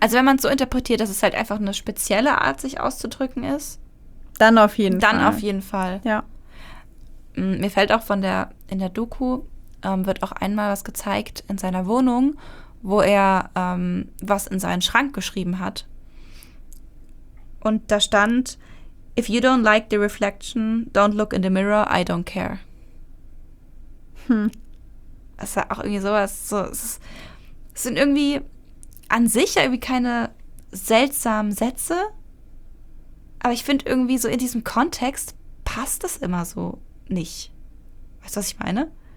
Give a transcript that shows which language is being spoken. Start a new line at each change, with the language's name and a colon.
German: Also wenn man es so interpretiert, dass es halt einfach eine spezielle Art, sich auszudrücken ist. Dann auf jeden Fall. Dann auf jeden Fall. Ja. Mir fällt auch von der, in der Doku wird auch einmal was gezeigt in seiner Wohnung, wo er was in seinen Schrank geschrieben hat. Und da stand,
English: if you don't like the reflection, don't look in the mirror, I don't care.
German: Das ist auch irgendwie sowas. So, es sind irgendwie an sich ja irgendwie keine seltsamen Sätze. Aber ich finde irgendwie so in diesem Kontext passt das immer so nicht. Weißt du, was ich meine?